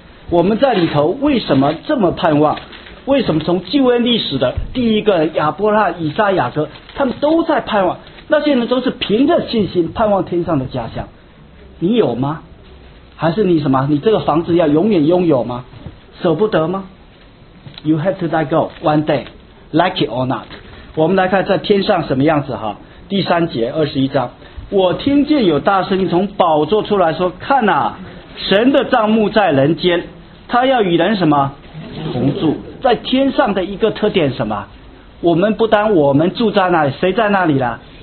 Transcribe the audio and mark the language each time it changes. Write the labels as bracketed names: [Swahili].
[Chinese] 我们在里头为什么这么盼望？为什么从旧恩历史的第一个亚伯拉罕、以撒、雅各，他们都在盼望？那些人都是凭着信心盼望天上的家乡。你有吗？还是你什么？你这个房子要永远拥有吗？舍不得吗？ [English] You have to let go one day, like it or not。 [Chinese] 我们来看在天上什么样子哈，第三节二十一章，我听见有大声音从宝座出来说，看哪、啊、神的帐幕在人间，他要与人什么同住。在天上的一个特点什么？我们不单我们住在那里，谁在那里了？